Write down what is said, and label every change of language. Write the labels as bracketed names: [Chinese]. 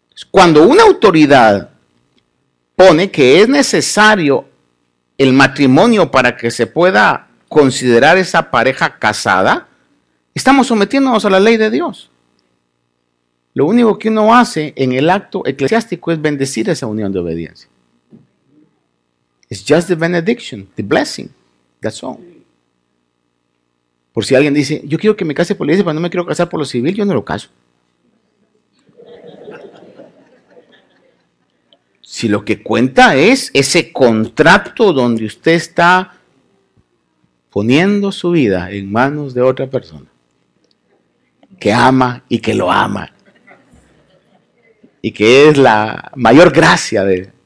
[Spanish] Cuando una autoridad pone que es necesario el matrimonio para que se pueda considerar esa pareja casada, estamos sometiéndonos a la ley de Dios. Lo único que uno hace en el acto eclesiástico es bendecir esa unión de obediencia. [English] It's just the benediction, the blessing, that's all. [Spanish] Por si alguien dice, yo quiero que me case por la iglesia, pero no me quiero casar por lo civil, yo no lo caso. Si lo que cuenta es ese contrato donde usted está poniendo su vida en manos de otra persona que ama y que lo ama y que es la mayor gracia de...